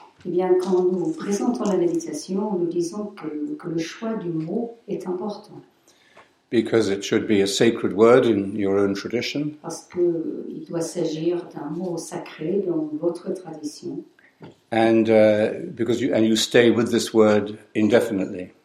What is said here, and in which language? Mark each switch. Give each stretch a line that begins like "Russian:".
French: Eh bien, quand nous présentons la méditation, nous disons que le choix du mot est important.
English: Because it should be a sacred word in your own tradition.
French: Parce qu'il doit s'agir d'un mot sacré dans votre tradition.
English: And because you stay with this word indefinitely.